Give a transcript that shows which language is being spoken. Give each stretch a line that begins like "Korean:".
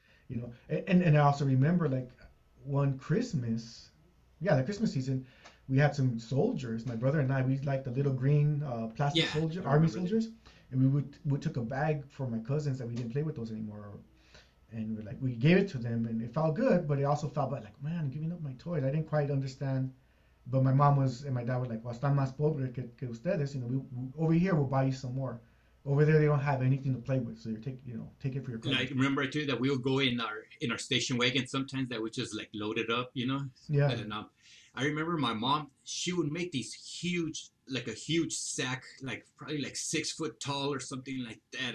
English: you know, and I also remember like one Christmas, yeah, the Christmas season, we had some soldiers, my brother and I, we like the little green plastic soldier, army soldiers, and we took a bag for my cousins that we didn't play with those anymore, and we're like, we gave it to them, and it felt good, but it also felt bad, like, man, I'm giving up my toys, I didn't quite understand. But my mom was, and my dad was like, well,
Spanish: están más pobres que ustedes.
English: You know, we over here, we'll buy you some more. Over there, they don't have anything to play with. So you're taking, you know, take it for your credit. And I remember, too, that we would go in our station wagon sometimes that would just, like, load it up, you know? Yeah. And I remember my mom, she would make these huge, like, a huge sack, like, probably, like, 6 foot tall or something like that.